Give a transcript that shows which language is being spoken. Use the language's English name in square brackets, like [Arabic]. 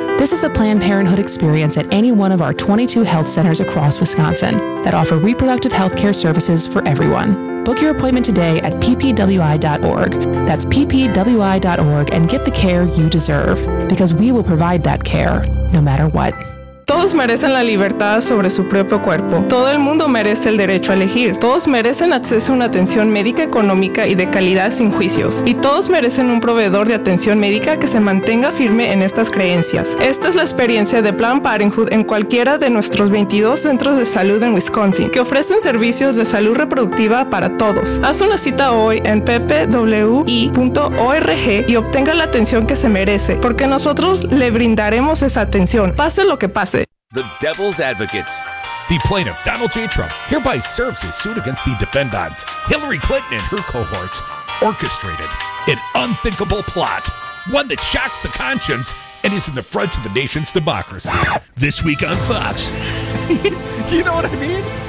[English] This is the Planned Parenthood experience at any one of our 22 health centers across Wisconsin that offer reproductive health care services for everyone. Book your appointment today at ppwi.org. That's ppwi.org, and get the care you deserve, because we will provide that care no matter what. [Spanish] Todos merecen la libertad sobre su propio cuerpo. Todo el mundo merece el derecho a elegir. Todos merecen acceso a una atención médica económica y de calidad sin juicios. Y todos merecen un proveedor de atención médica que se mantenga firme en estas creencias. Esta es la experiencia de Planned Parenthood en cualquiera de nuestros 22 centros de salud en Wisconsin, que ofrecen servicios de salud reproductiva para todos. Haz una cita hoy en ppwi.org y obtenga la atención que se merece, porque nosotros le brindaremos esa atención, pase lo que pase. [English] The Devil's Advocates. The plaintiff, Donald J. Trump, hereby serves his suit against the defendants, Hillary Clinton and her cohorts, orchestrated an unthinkable plot, one that shocks the conscience and is an affront to the nation's democracy. This week on Fox. You know what I mean?